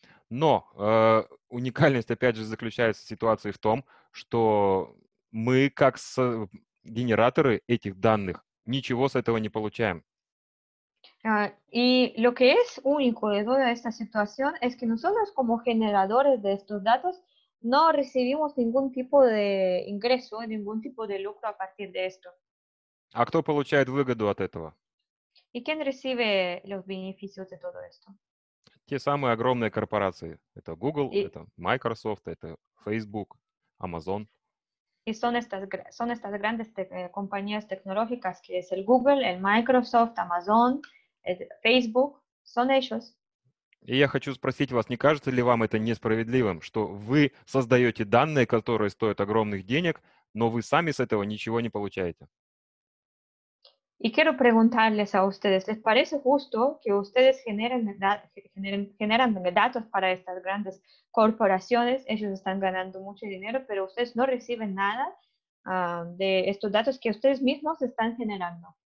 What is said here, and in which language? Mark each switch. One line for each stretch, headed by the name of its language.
Russian: Но уникальность, опять же, заключается в ситуации в том, что мы, как генераторы этих данных, ничего с этого не получаем.
Spanish: И lo que es único de toda esta situación es que nosotros, como generadores de estos datos, no recibimos ningún tipo de ingreso, ningún tipo de lucro a partir de esto.
Russian: А кто получает выгоду от этого?
Spanish: ¿Y quién recibe los beneficios de todo esto?
Russian: Те самые огромные корпорации. Это Google, это Microsoft, это Facebook, Amazon.
Spanish: Y son estas grandes compañías tecnológicas, que es el Google, el Microsoft, Amazon, el Facebook, son ellos.
Russian: И я хочу спросить вас, не кажется ли вам это несправедливым, что вы создаете данные, которые стоят огромных денег, но вы сами с этого ничего не получаете?
Spanish: Y quiero preguntarles a ustedes, ¿les parece justo que ustedes generan datos para estas grandes corporaciones? Ellos están ganando mucho dinero, pero ustedes no reciben nada de estos datos que ustedes mismos están generando.